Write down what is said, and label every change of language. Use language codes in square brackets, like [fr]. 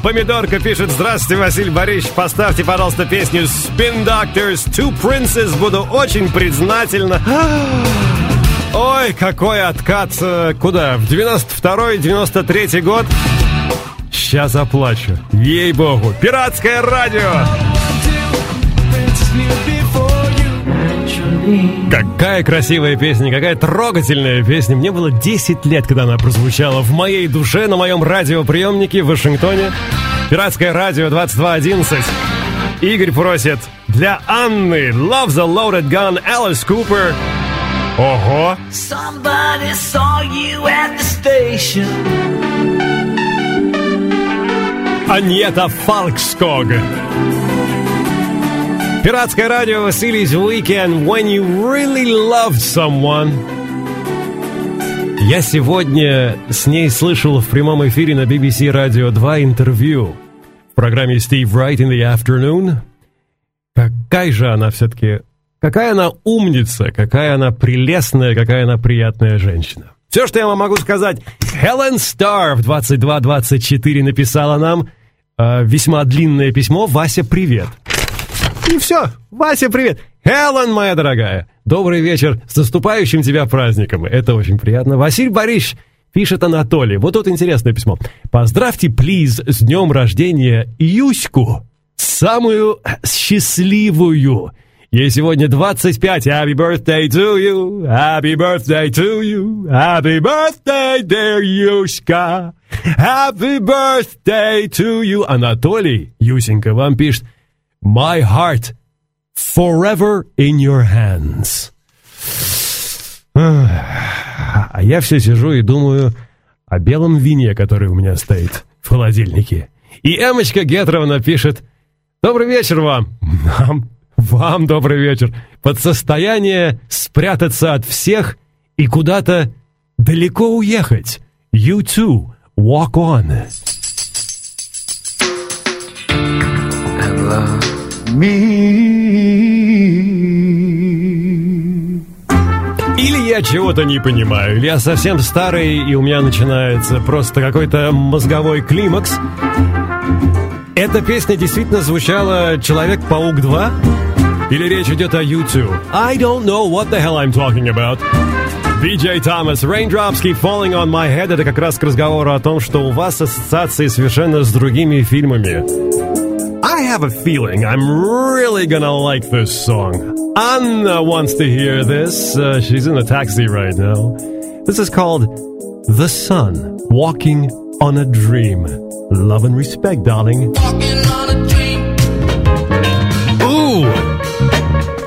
[ru] Помидорка пишет: здравствуйте, Василий Борисович. Поставьте, пожалуйста, песню Spin Doctors Two Princes. Буду очень признательна. Ой, какой откат. Куда? В 92-93 год. Сейчас заплачу. Ей-богу. Пиратское радио. Какая красивая песня, какая трогательная песня. Мне было 10 лет, когда она прозвучала в моей душе, на моем радиоприемнике в Вашингтоне. Пиратское радио 22.11. Игорь просит для Анны Love the Loaded Gun, Элис Купер. Ого! [en] Somebody saw you at the station. [ru] Анета Фалкског. Пиратское радио, Василий's Weekend. [en] When you really loved someone. [ru] Я сегодня с ней слышал в прямом эфире на BBC Radio 2 интервью в программе Steve Wright in the Afternoon. Какая же она все-таки, какая она умница, какая она прелестная, какая она приятная женщина. Все, что я вам могу сказать, Helen Starr в 22.24 написала нам весьма длинное письмо. Вася, привет. И все. Вася, привет. Хелен, моя дорогая, добрый вечер. С наступающим тебя праздником. Это очень приятно. Василий Борисович, пишет Анатолий. Вот тут интересное письмо. Поздравьте, плиз, с днем рождения Юську, самую счастливую. Ей сегодня 25. [en] Happy birthday to you. Happy birthday to you. Happy birthday, dear Юська. Happy birthday to you. [ru] Анатолий, Юсенька, вам пишет. [en] My heart forever in your hands. [ru] А я все сижу и думаю о белом вине, который у меня стоит в холодильнике. И Эмочка Гетровна пишет: добрый вечер вам. Вам добрый вечер. Под состояние спрятаться от всех и куда-то далеко уехать. [en] You too, walk on. Hello. Me. [ru] Или я чего-то не понимаю, или я совсем старый, и у меня начинается просто какой-то мозговой климакс. Эта песня действительно звучала «Человек-паук 2»? Или речь идет о YouTube? [en] I don't know what the hell I'm talking about. BJ Thomas, Raindrops Keep Falling on My Head. [ru] Это как раз к разговору о том, что у вас ассоциации совершенно с другими фильмами. [en] I have a feeling I'm really gonna like this song. Anna wants to hear this. She's in a taxi right now. This is called The Sun Walking on a Dream. Love and respect, darling. Walking on a dream. Ooh!